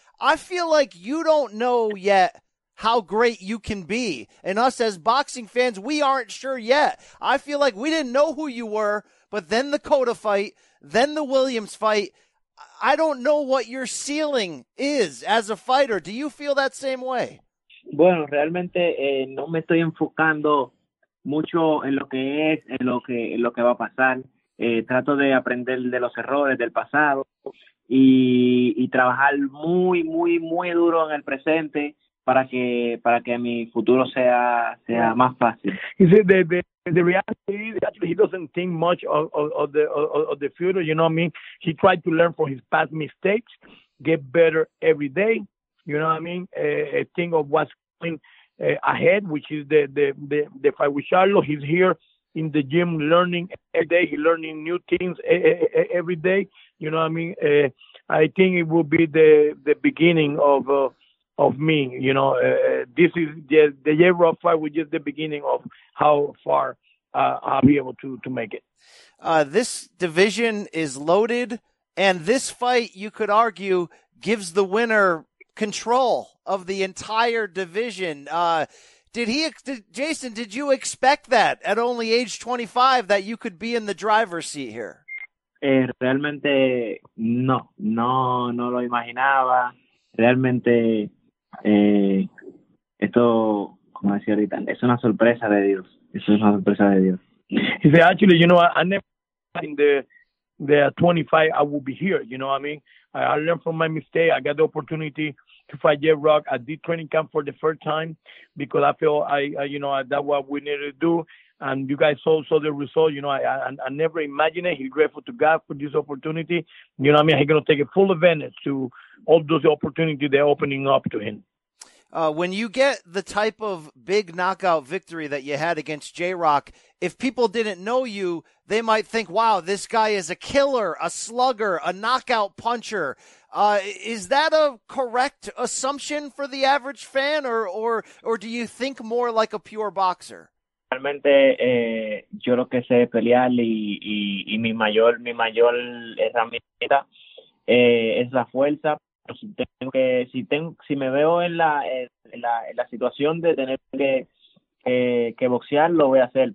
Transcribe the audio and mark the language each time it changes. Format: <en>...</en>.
<en>I feel like you don't know yet how great you can be. And us as boxing fans, we aren't sure yet. I feel like we didn't know who you were, but then the Cota fight, then the Williams fight. I don't know what your ceiling is as a fighter. Do you feel that same way?</en> <es>Bueno, realmente no me estoy enfocando mucho en lo que es, en lo que va a pasar. Trato de aprender de los errores del pasado y trabajar muy, muy, muy duro en el presente. Para que mi futuro sea más fácil.</es> <en>He said the reality is actually he doesn't think much of the future. You know what I mean? He tried to learn from his past mistakes, get better every day. You know what I mean? Think of what's coming ahead, which is the fight with Charlo. He's here in the gym learning every day. He's learning new things every day. You know what I mean? I think it will be the beginning of me, you know, this is the year of fight, which is the beginning of how far I'll be able to make it. This division is loaded, and this fight, you could argue, gives the winner control of the entire division. Jason, did you expect that at only age 25 that you could be in the driver's seat here?</en> <es>Realmente, no lo imaginaba. Realmente, esto, como decía ahorita, es una sorpresa de Dios. Eso es una sorpresa de Dios.</es> <en>He said, actually, you know, I never in the 25 I will be here. You know what I mean? I learned from my mistake. I got the opportunity to fight J-Rock. I did training camp for the first time because I feel I that's what we needed to do. And you guys all saw the result. You know, I never imagined it. He's grateful to God for this opportunity. You know what I mean? He's going to take a full advantage to all those opportunities they're opening up to him. When you get the type of big knockout victory that you had against J-Rock, if people didn't know you, they might think, wow, this guy is a killer, a slugger, a knockout puncher. Is that a correct assumption for the average fan, or do you think more like a pure boxer?</en> <es>Realmente, yo lo que sé es pelear y mi mayor herramienta es la fuerza. Pero si me veo en la situación de tener que boxear, lo voy a hacer.</es>